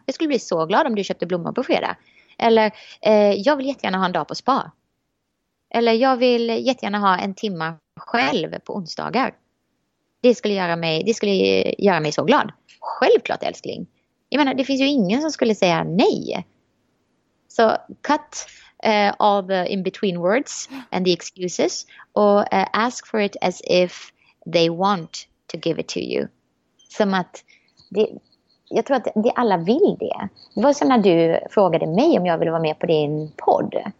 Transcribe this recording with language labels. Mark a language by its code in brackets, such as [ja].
[sv] Jag skulle bli så glad om du köpte blommor på fredag. Eller jag vill jättegärna ha en dag på spa. Eller jag vill jättegärna ha en timma själv på onsdagar. Det skulle göra mig så glad. Självklart älskling. Jag menar, det finns ju ingen som skulle säga nej. [en] Så cut all the in between words and the excuses. Och ask for it as if they want to give it to you. [sv] Som att det... Jag tror att det alla vill det. Det var som när du frågade mig om jag ville vara med på din podd.